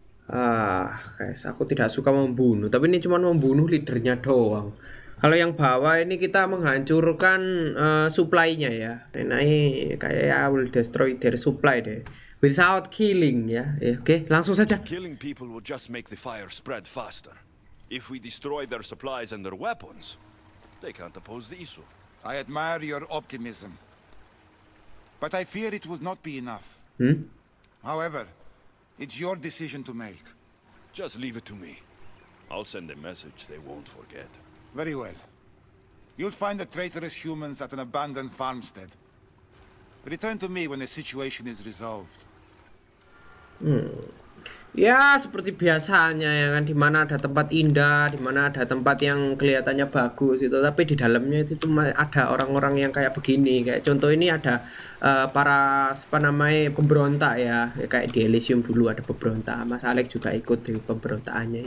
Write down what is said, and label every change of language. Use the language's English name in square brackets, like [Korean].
[Indonesian] Guys, aku tidak suka membunuh. Tapi ini cuma membunuh leadernya doang. Kalau yang bawah ini kita menghancurkan supply-nya ya. Ini kayaknya [English] I will destroy their supply deh. Without killing [Indonesian] ya. Oke, langsung saja. [English] Killing people will just make the fire spread faster. If we destroy their supplies and their weapons, they can't oppose the issue. I admire your optimism. But I fear it will not be enough. However, it's your decision to make. Just leave it to me. I'll send a message they won't forget. Very well. You'll find the traitorous humans at an abandoned farmstead. Return to me when the situation is resolved. [Indonesian] Ya, seperti biasanya ya kan, di mana ada tempat indah, di mana ada tempat yang kelihatannya bagus itu, tapi di dalamnya itu cuma ada orang-orang yang kayak begini. Kayak contoh ini ada para apa namanya pemberontak ya. Ya, kayak di Elysium dulu ada pemberontak. Mas Alex juga ikut di pemberontakannya.